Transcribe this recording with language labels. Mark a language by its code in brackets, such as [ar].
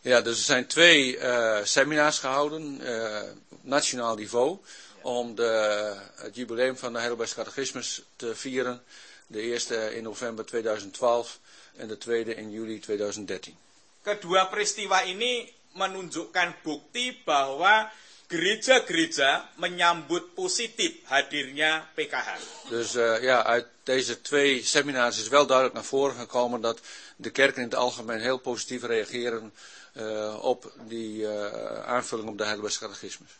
[nl] Ja, dus er zijn twee seminars gehouden nationaal niveau om het jubileum van de Heidelbergse Katechismus te vieren. De eerste in november 2012 en de tweede in juli 2013. [id] Kedua peristiwa ini menunjukkan bukti bahwa gereja-gereja menyambut positif hadirnya PKH. [nl] Dus ja, uit deze twee seminars is wel duidelijk naar voren gekomen dat de kerken in het algemeen heel positief reageren op die aanvulling op de Heidelbergse Katechismus.